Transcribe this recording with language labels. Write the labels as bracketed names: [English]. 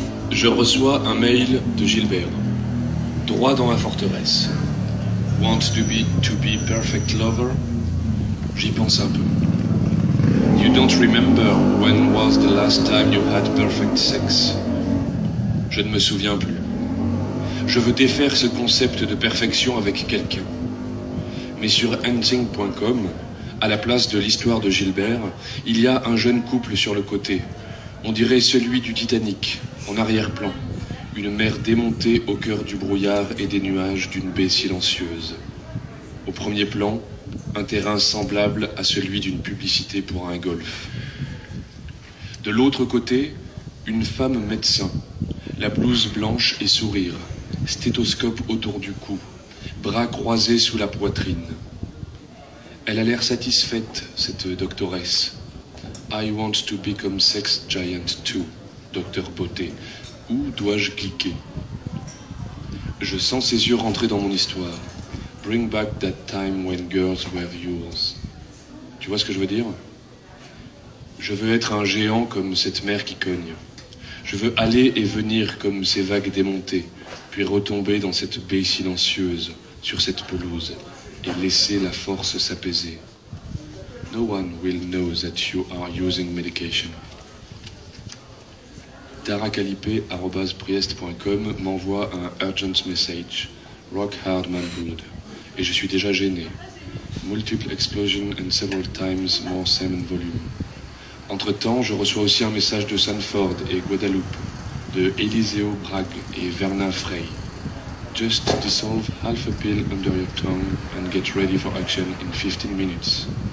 [French] Je reçois un mail de Gilbert. Droit dans la forteresse. [English] Want to be perfect lover? [French] J'y pense un peu. [English] You don't remember when was the last time you had perfect sex? [French] Je ne me souviens plus. Je veux défaire ce concept de perfection avec quelqu'un. Mais sur ending.com, à la place de l'histoire de Gilbert, il y a un jeune couple sur le côté. On dirait celui du Titanic. En arrière-plan, une mer démontée au cœur du brouillard et des nuages d'une baie silencieuse. Au premier plan, un terrain semblable à celui d'une publicité pour un golf. De l'autre côté, une femme médecin, la blouse blanche et sourire, stéthoscope autour du cou, bras croisés sous la poitrine. Elle a l'air satisfaite, cette doctoresse. [English] I want to become sex giant too. [French] Docteur Beauté, où dois-je cliquer? Je sens ses yeux rentrer dans mon histoire. [English] Bring back that time when girls were yours. [French] Tu vois ce que je veux dire? Je veux être un géant comme cette mer qui cogne. Je veux aller et venir comme ces vagues démontées, puis retomber dans cette baie silencieuse, sur cette pelouse, et laisser la force s'apaiser. [English] No one will know that you are using medication. [French] Taracalipe@priest.com m'envoie un urgent message, [English] rock hard manhood, [French] et je suis déjà gêné. [English] Multiple explosion and several times more semen volume. [French] Entre temps, je reçois aussi un message de Sanford et Guadalupe, de Eliseo Bragg et Vernon Frey. [English] Just dissolve half a pill under your tongue and get ready for action in 15 minutes.